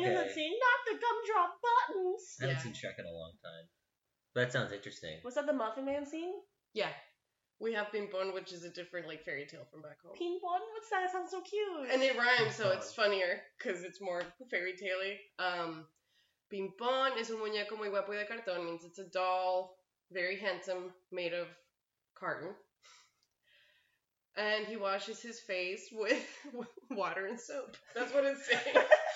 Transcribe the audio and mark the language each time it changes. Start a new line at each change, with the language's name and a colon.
English: You know that scene? Not the gumdrop buttons. I haven't seen Shrek in a long time. That sounds interesting. Was that the Muffin Man scene? Yeah. We have ping-pong, which is a different, like, fairy tale from back home. Ping-pong? What's that? It sounds so cute. And it rhymes, so it's funnier, because it's more fairy tale-y.
Spanish: Ping-pong es un muñeco muy guapo de cartón.
English: It means it's a doll, very handsome, made of carton. And he washes his face with water and soap. That's what it's saying.